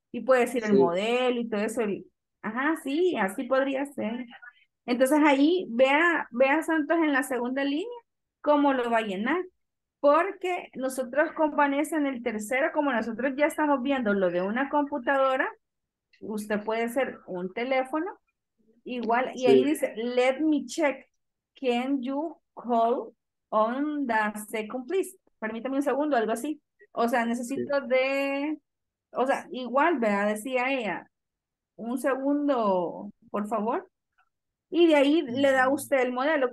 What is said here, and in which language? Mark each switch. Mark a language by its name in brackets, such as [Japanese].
[Spanish] Y puede decir sí. El modelo y todo eso. Ajá, sí, así podría ser. Entonces ahí vea Santos en la segunda línea cómo lo va a llenar. Porque nosotros con Vanessa en el tercero, como nosotros ya estamos viendo lo de una computadora, usted puede ser un teléfono. Igual, y sí. Ahí dice, [English] let me check, can you call on the second, please? [Spanish] Permítame un segundo, algo así. O sea, necesito sí. De, o sea, igual, ¿verdad? Decía ella, un segundo, por favor. Y de ahí le da usted el modelo.